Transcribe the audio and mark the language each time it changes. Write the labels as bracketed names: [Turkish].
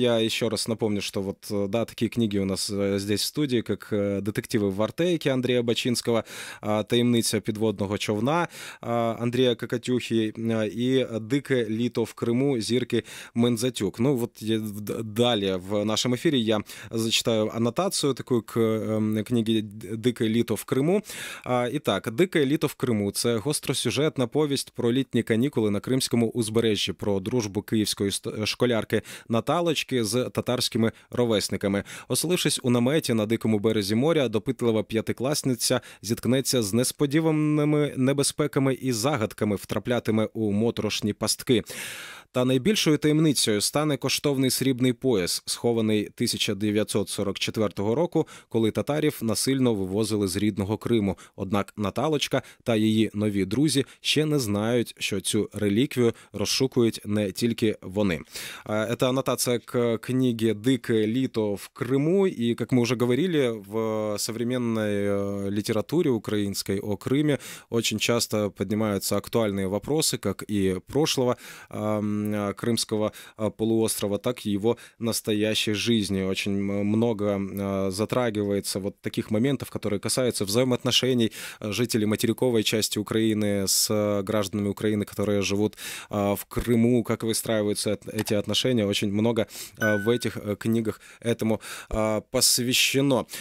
[Russian] Я еще раз напомню, что вот, да, такие книги у нас здесь в студии, как «Детективы в Артейке» Андрея Бачинского, «Таємниця підводного човна» Андрея Кокотюхи и «Дике літо в Криму» Зірки Мендзатюк. Ну вот далее в нашем эфире я зачитаю аннотацию такую к книге «Дике літо в Криму». [Ukrainian] Итак, «Дике літо в Криму» — це гостросюжетна повість про літні канікули на Кримському узбережжі, про дружбу київської школярки Наталочки з татарськими ровесниками. Оселившись у наметі на дикому березі моря, допитлива п'ятикласниця зіткнеться з несподіваними небезпеками і загадками, втраплятиме у моторошні пастки. Та найбільшою таємницею стане коштовний срібний пояс, схований 1944 року, коли татарів насильно вивозили з рідного Криму. Однак Наталочка та її нові друзі ще не знають, що цю реліквію розшукують не тільки вони. Це анотація [Russian] к книге [Ukrainian] «Дике літо в Криму». І, як ми вже говорили, в сучасній літературі українській о Криму дуже часто піднімаються актуальні питання, як і [Russian] прошлого Крымского полуострова, так и его настоящей жизни. Очень много затрагивается вот таких моментов, которые касаются взаимоотношений жителей материковой части Украины с гражданами Украины, которые живут в Крыму, как выстраиваются эти отношения. Очень много в этих книгах этому посвящено.